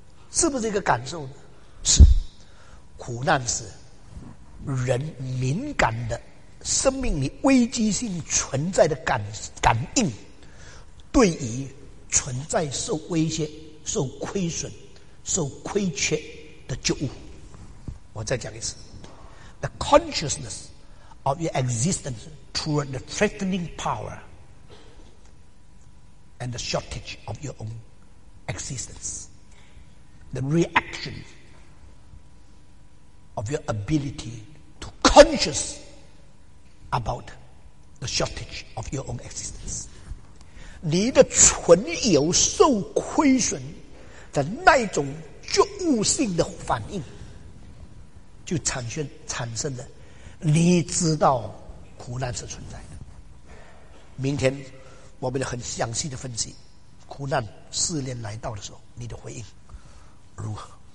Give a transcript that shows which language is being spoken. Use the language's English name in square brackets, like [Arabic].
[Chinese] 是不是一个感受呢？是，苦难是人敏感的生命里危机性存在的感应，对于存在受威胁、受亏损、受亏缺的觉悟。我再讲一次 [English] ，the consciousness of your existence through the threatening power and the shortage of your own existence, the reaction of your ability to conscious about the shortage of your own existence. [Chinese] 你的存有受亏损的那种觉悟性的反应，就产生了你知道苦难是存在的。明天我们很详细的分析苦难试炼来到的时候你的回应如何。